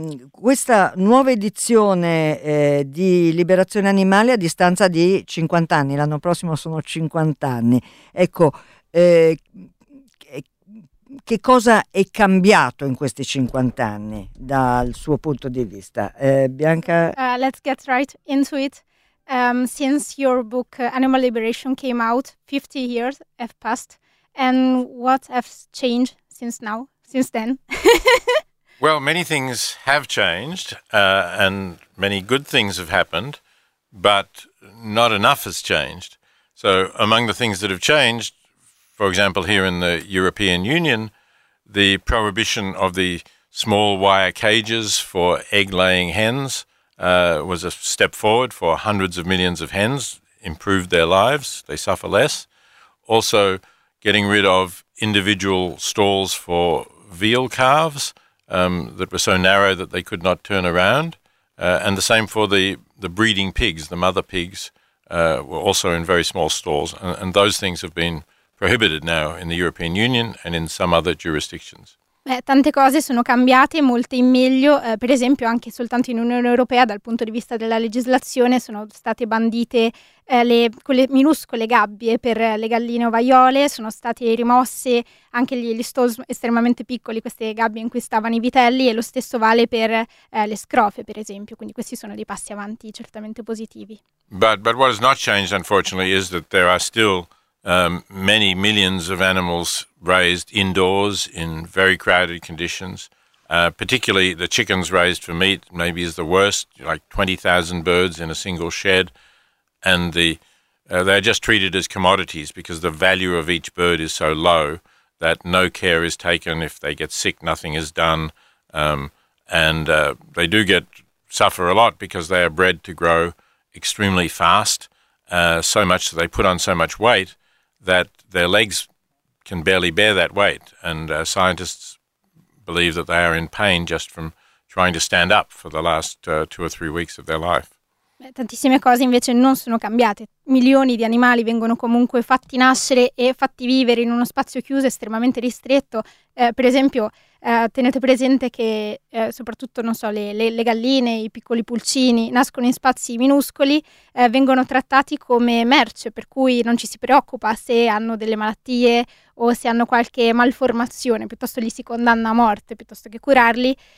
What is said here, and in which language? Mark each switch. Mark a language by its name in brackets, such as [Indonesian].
[Italian] Questa nuova edizione di Liberazione Animale a distanza di 50 anni, l'anno prossimo sono 50 anni. Ecco, che cosa è cambiato in questi 50 anni dal suo punto di vista? Bianca? [English] Let's get right into it. Since your book Animal Liberation came out, 50 years have passed, and what has changed since then? Well, many things have changed, and many good things have happened, but not enough has changed. So among the things that have changed, for example, here in the European Union, the prohibition of the small wire cages for egg-laying hens was a step forward for hundreds of millions of hens, improved their lives, they suffer less. Also, getting rid of individual stalls for veal calves that were so narrow that they could not turn around. And the same for the breeding pigs, the mother pigs, were also in very small stalls. And those things have been prohibited now in the European Union and in some other jurisdictions. [Italian] Tante cose sono cambiate, molte in meglio, per esempio anche soltanto in Unione Europea dal punto di vista della legislazione sono state bandite quelle minuscole gabbie per le galline ovaiole, sono state rimosse anche gli stalls estremamente piccoli, queste gabbie in cui stavano i vitelli, e lo stesso vale per le scrofe, per esempio, quindi questi sono dei passi avanti certamente positivi. [English] But what has not changed, unfortunately, is that there are still many millions of animals raised indoors in very crowded conditions, particularly the chickens raised for meat, maybe is the worst, like 20,000 birds in a single shed. And they're just treated as commodities because the value of each bird is so low that no care is taken. If they get sick, nothing is done. They do suffer a lot because they are bred to grow extremely fast, so much that they put on so much weight that their legs can barely bear that weight. And scientists believe that they are in pain just from trying to stand up for the last 2 or 3 weeks of their life. [Italian] Tantissime cose invece non sono cambiate. Milioni di animali vengono comunque fatti nascere e fatti vivere in uno spazio chiuso estremamente ristretto. Per esempio, tenete presente che soprattutto, non so, le galline, i piccoli pulcini nascono in spazi minuscoli, vengono trattati come merce, per cui non ci si preoccupa se hanno delle malattie o se hanno qualche malformazione, piuttosto li si condanna a morte piuttosto che curarli.